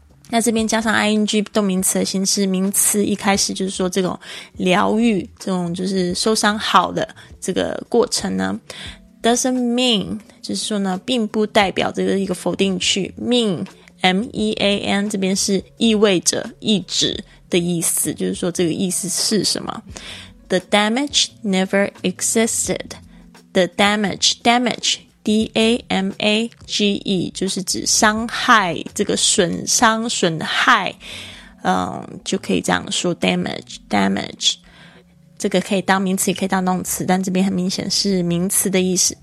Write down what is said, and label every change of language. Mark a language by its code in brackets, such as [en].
[zh] 那这边加上 ing 动名词的形式，名词一开始就是说这种疗愈，这种就是受伤好的这个过程呢。 [en] doesn't mean [zh] 就是说呢并不代表，这个一个否定句， meanM-E-A-N 这边是意味着、意指的意思，就是说这个意思是什么。 [en] The damage never existed. [zh] The damage D-A-M-A-G-E 就是指伤害，这个损伤、损害、就可以这样说 damage 这个可以当名词也可以当动词，但这边很明显是名词的意思。